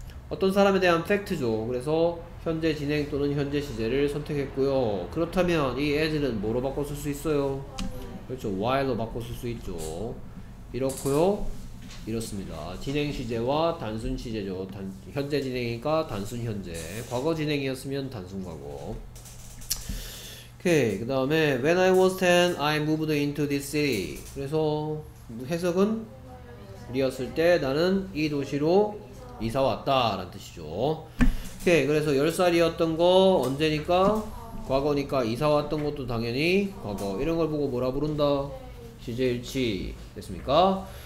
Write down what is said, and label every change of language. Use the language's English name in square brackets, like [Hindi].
[Korean] 어떤 사람에 대한 팩트죠. 그래서 현재 진행 또는 현재 시제를 선택했고요. 그렇다면 이 as는 뭐로 바꿔 쓸 수 있어요? 그렇죠. while로 바꿔 쓸 수 있죠. 이렇고요. 이렇습니다. 진행 시제와 단순 시제죠. 현재 진행이니까 단순 현재. 과거 진행이었으면 단순 과거. 오케이. 그 다음에 [English] when I was 10, I moved into this city. [Korean] 그래서 해석은 리었을 때 나는 이 도시로 이사 왔다 라는 뜻이죠. 오케이. 그래서 10살이었던 거 언제니까? 과거니까 이사 왔던 것도 당연히 과거. 이런 걸 보고 뭐라 부른다? 시제일치. 됐습니까?